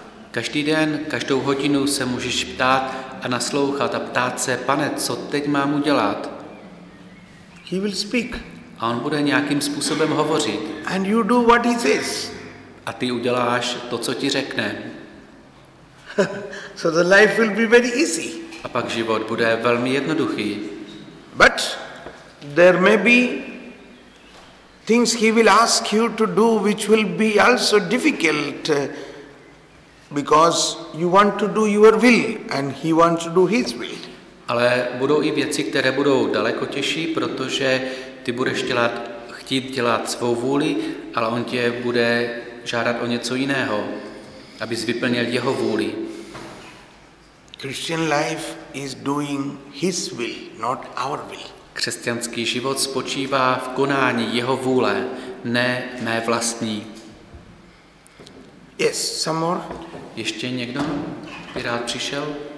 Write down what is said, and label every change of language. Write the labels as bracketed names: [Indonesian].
[Czech] Každý den, každou hodinu se můžeš ptát a naslouchat a ptát se, pane, co teď mám udělat? [English] He will speak. [Czech] A on bude nějakým způsobem hovořit. [English] And you do what he says. [Czech] A ty uděláš to, co ti řekne. [English] So the life will be very easy. [Czech] A pak život bude velmi jednoduchý. [English] But there may be things he will ask you to do which will be also difficult because you want to do your will and he wants to do his will. [Czech] Ale budou i věci, které budou daleko těžší, protože ty budeš chtít dělat svou vůli, ale on tě bude žádat o něco jiného, abys vyplnil jeho vůli. [English] Christian life is doing his will, not our will. [Czech] Křesťanský život spočívá v konání jeho vůle, ne mé vlastní. [English] Yes, some more. [Czech] Ještě někdo by rád přišel?